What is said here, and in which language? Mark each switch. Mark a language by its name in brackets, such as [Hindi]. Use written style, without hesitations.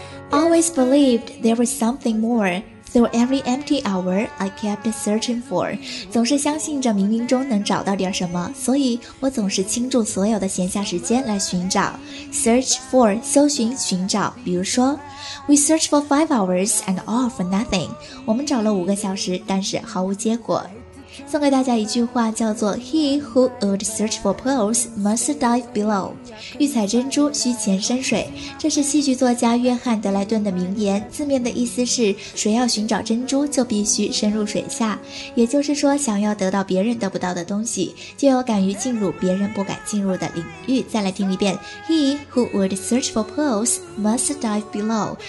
[English] Always believed there was something more. Through every empty hour, I kept searching for. [Chinese] 总是相信着冥冥中能找到点什么，所以我总是倾注所有的闲暇时间来寻找。 Search for, 搜寻寻找，比如说。 [English] We searched for 5 hours and all for nothing. [Chinese] 我们找了5个小时，但是毫无结果。送给大家一句话，叫做 [English] He who would search for pearls must dive below. [Chinese] 欲采珍珠，需潜深水。这是戏剧作家约翰·德莱顿的名言，字面的意思是，谁要寻找珍珠，就必须深入水下。也就是说，想要得到别人得不到的东西，就要敢于进入别人不敢进入的领域。再来听一遍 [English] He who would search for pearls must dive below.